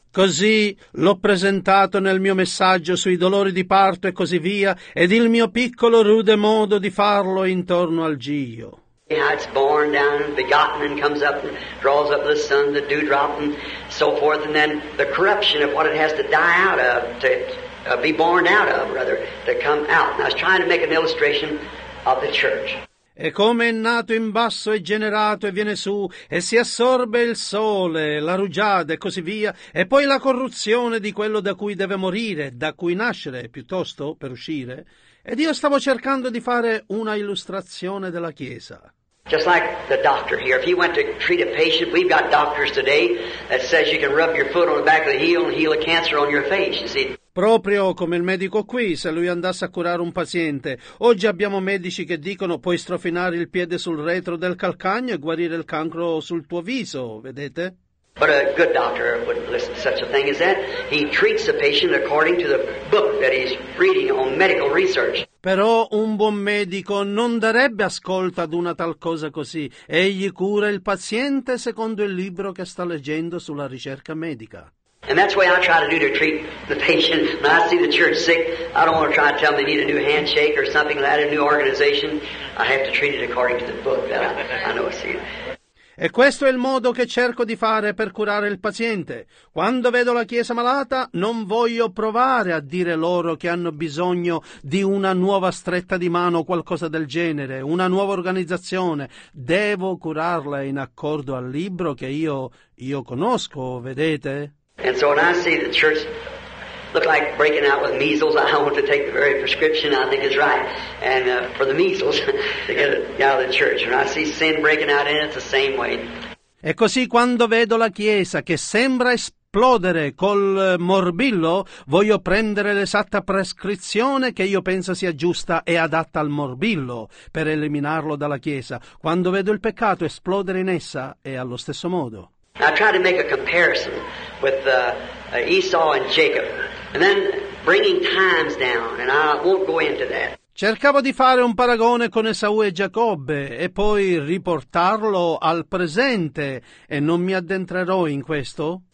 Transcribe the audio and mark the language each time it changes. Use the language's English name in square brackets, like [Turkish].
[Italian] Così l'ho presentato nel mio messaggio sui dolori di parto e così via, ed il mio piccolo rude modo di farlo intorno al giglio. [English] how it's born down and begotten and comes up and draws up the sun, the dewdrop, and so forth, and then the corruption of what it has to die out of, to be born out of, rather, to come out. And I was trying to make an illustration of the church. [Italian] E come è nato in basso, è generato e viene su, e si assorbe il sole, la rugiada e così via, e poi la corruzione di quello da cui deve morire, da cui nascere, piuttosto, per uscire. Ed io stavo cercando di fare una illustrazione della Chiesa. [English] Just like the doctor here, if he went to treat a patient, we've got doctors today that says you can rub your foot on the back of the heel and heal a cancer on your face, you see. [Italian] Proprio come il medico qui, se lui andasse a curare un paziente. Oggi abbiamo medici che dicono puoi strofinare il piede sul retro del calcagno e guarire il cancro sul tuo viso, vedete? [English] But a good doctor wouldn't listen to such a thing as that. He treats the patient according to the book that he's reading on medical research. [Italian] Però un buon medico non darebbe ascolto ad una tal cosa così. Egli cura il paziente secondo il libro che sta leggendo sulla ricerca medica. [English] And that's what I try to do to treat the patient. When I see the church sick, I don't want to try to tell them they need a new handshake or something like that, a new organization. I have to treat it according to the book that I know I see. [Italian] E questo è il modo che cerco di fare per curare il paziente. Quando vedo la Chiesa malata, non voglio provare a dire loro che hanno bisogno di una nuova stretta di mano o qualcosa del genere, una nuova organizzazione. Devo curarla in accordo al libro che io conosco, vedete? [English] And so when I see the church look like breaking out with measles, I want to take the very prescription I think is right, and for the measles to get it out of the church. And I see sin breaking out in it the same way. [Italian] E così quando vedo la Chiesa che sembra esplodere col morbillo, voglio prendere l'esatta prescrizione che io penso sia giusta e adatta al morbillo per eliminarlo dalla Chiesa. Quando vedo il peccato esplodere in essa, è allo stesso modo. [English] I try to make a comparison with Esau and Jacob, and then bringing times down, and I won't go into that. [Italian] Cercavo di fare un paragone con Esau e Giacobbe, e poi riportarlo al presente, e non mi addentrerò in questo.